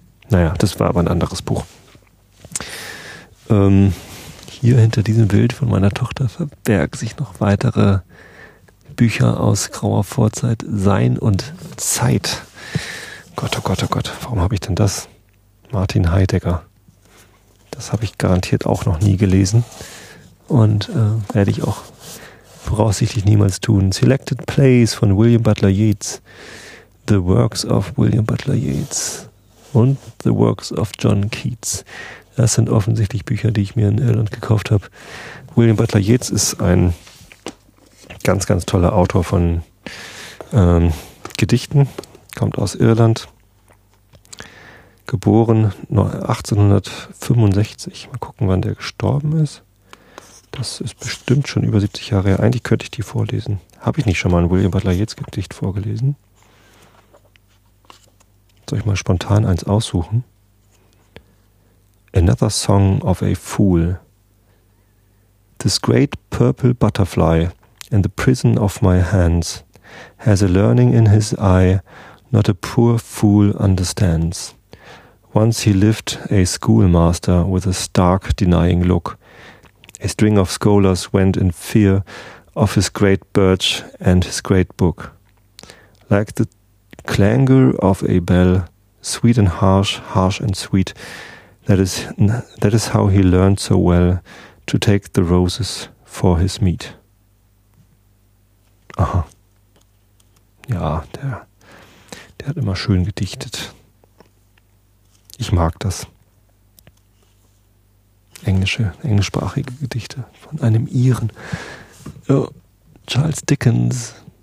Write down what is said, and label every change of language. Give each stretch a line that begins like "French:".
German: Naja, das war aber ein anderes Buch. Hier hinter diesem Bild von meiner Tochter verbergen sich noch weitere Bücher aus grauer Vorzeit. Sein und Zeit. Gott, oh Gott, oh Gott. Warum habe ich denn das? Martin Heidegger. Das habe ich garantiert auch noch nie gelesen. Und werde ich auch voraussichtlich niemals tun. Selected Plays von William Butler Yeats.
English: The Works of William Butler Yeats.
German: Und The Works of John Keats. Das sind offensichtlich Bücher, die ich mir in Irland gekauft habe, William Butler Yeats ist ein ganz, ganz toller Autor von Gedichten, kommt aus Irland, geboren 1865. Mal gucken, wann der gestorben ist. Das ist bestimmt schon über 70 Jahre her. Eigentlich könnte ich die vorlesen. Habe ich nicht schon mal ein William Butler Yeats Gedicht vorgelesen? Soll ich mal spontan eins aussuchen?
English: Another Song of a Fool. This great purple butterfly in the prison of my hands has a learning in his eye not a poor fool understands. Once he lived a schoolmaster with a stark denying look. A string of scholars went in fear of his great birch and his great book. Like the clangor of a bell, sweet and harsh, harsh and sweet, that is how he learned so well to take the roses for his meat.
German: Aha. Ja, der hat immer schön gedichtet. Ich mag das. Englischsprachige Gedichte von einem Iren. Charles Dickens.